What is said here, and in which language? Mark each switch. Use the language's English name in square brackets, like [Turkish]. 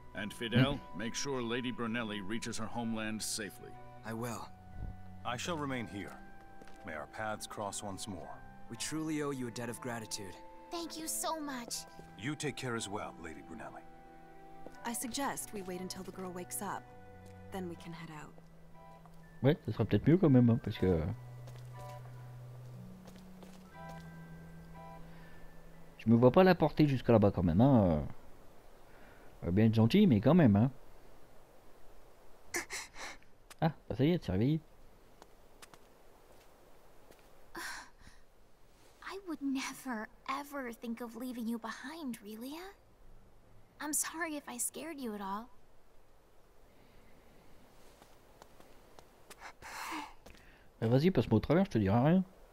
[English] And Fidel, make sure Lady Brunelli reaches her homeland safely. I will. I shall remain here. May our paths cross once more. We truly owe you a debt of gratitude. Thank you so much. You take care as well, Lady Brunelli. I suggest we wait until the girl wakes up. Then we can head out. [French] Ouais, ça sera peut-être mieux quand même, hein, parce que... Je me vois pas la porter jusqu'à là-bas quand même, hein. Bien gentil, mais quand même, hein. Ah, bah ça y est, elle s'est réveillée. [English] I would never, ever think of leaving you behind, Relia. I'm sorry if I scared you at all. [French] Mais vas-y, passe-moi au travers, je te dirai rien.